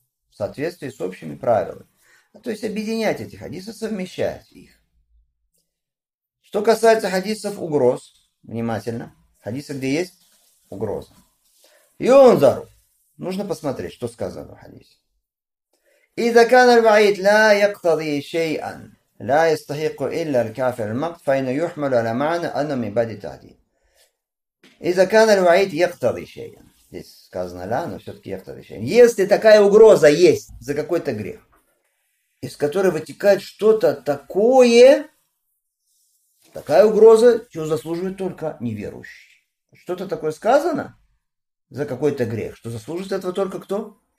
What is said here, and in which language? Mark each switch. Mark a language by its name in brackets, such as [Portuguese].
[Russian] В соответствии с общими правилами. То есть объединять эти хадисы, совмещать их. Что касается хадисов угроз, внимательно. Хадисы, где есть угроза. Юнзару. Нужно посмотреть, что сказано в хадисе. [Arabic] إذا كان الوعيد لا يقتضي شيئا لا يستحق إلا الكافر المقت فإنه يحمل على معنى أنه من باب التهديد. إذا كان الوعيد يقتضي شيئا. [Russian] Здесь сказано لا, но все-таки [Arabic] يقتضي شيئا. [Russian] Если такая угроза есть за какой-то грех, из которой вытекает что-то такое, такая угроза, чего заслуживает только неверующий. Что-то такое сказано за какой-то грех, что заслуживает этого только кто?